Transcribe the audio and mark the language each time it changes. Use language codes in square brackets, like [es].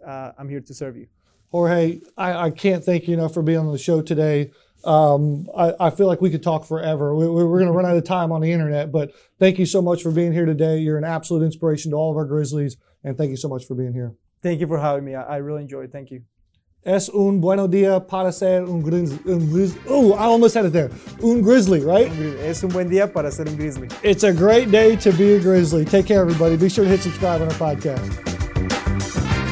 [en] I'm here to serve you. Jorge, I can't thank you enough for being on the show today. I feel like we could talk forever. We're going to run out of time on the internet, but thank you so much for being here today. You're an absolute inspiration to all of our Grizzlies, and thank you so much for being here. Thank you for having me. I really enjoyed it. Thank you. [es] Es un buen día para ser un grizzly. [en] Oh, I almost had it there. [es] Un grizzly, [en] right? [es] Es un buen día para ser un grizzly. [en] It's a great day to be a grizzly. Take care, everybody. Be sure to hit subscribe on our podcast.